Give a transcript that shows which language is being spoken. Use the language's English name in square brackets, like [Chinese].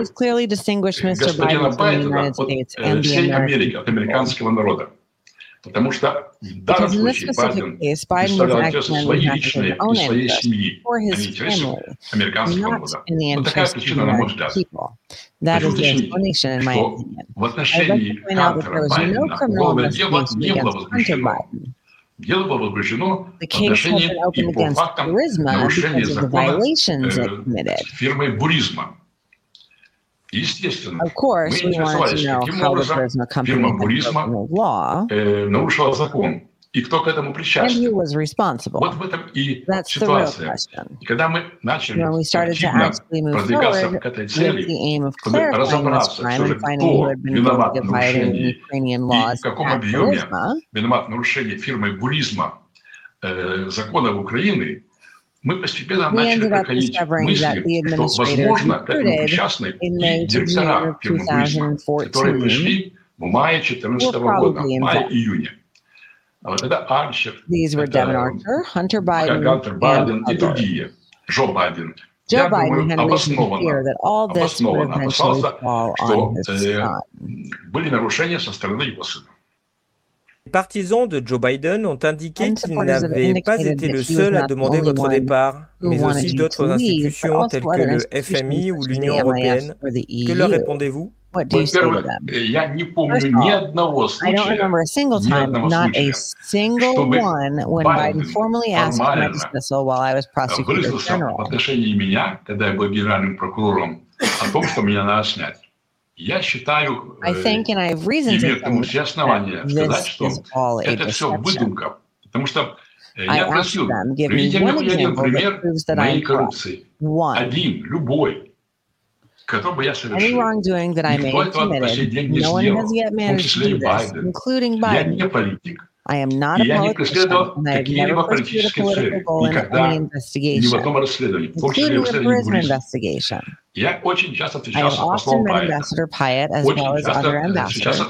[Russian] господина Байдена от всей Америки, от американского народа. Потому что в данном случае Байден представлял интересы своей личной и своей семьи, а не интересы американского народа. Вот такая причина, на мой взгляд. [English] That is the explanation, in my opinion. I'd like to point out that there was no criminal investigation against Hunter Biden. [Russian] Дело было возбуждено в отношении и по фактам нарушения закона фирмой Бурисма. [English] Of course, we wanted to know how the Burisma company had broken the law, and who was responsible. That's the real question. When we started to actually move forward with the aim of clarifying this crime and finding who had been guilty of violating Ukrainian laws at Burisma, [Russian] виноват в нарушении фирмы Бурисма закона в Украине, мы постепенно начали проходить мысли, что, возможно, как причастны и директора фирмы, которые пришли в мае 2014 года, в мае-июне. А вот тогда Арчер, Хантер Байден и другие, Джо Байден, я думаю, обоснованно опасался, что были нарушения со стороны его сына. [French] Les partisans de Joe Biden ont indiqué qu'il n'avait pas été le seul à demander votre départ, mais aussi d'autres institutions telles que le FMI ou l'Union européenne. Que leur répondez-vous? [English] I don't remember a single time, not a single one, when Biden formally asked for my dismissal while I was prosecutor general. [Russian] В отношении меня, когда я был генеральным прокурором, о том, что меня надо снять. Я считаю, [English] I think, and I have reason to think, that this [Russian] сказать, [English] что is all a deception. [Russian] Выдумка, потому что я просил, приведите мне один пример моей коррупции. Один, любой, который бы я совершил. [English] Any wrongdoing that I may have committed, no one has yet managed to do this, including Biden. [Russian] Я не политик. [English] I am not a politician, and I have never pursued a political goal in any investigation, including a prison investigation. I have often met Ambassador Pyatt as well as other ambassadors.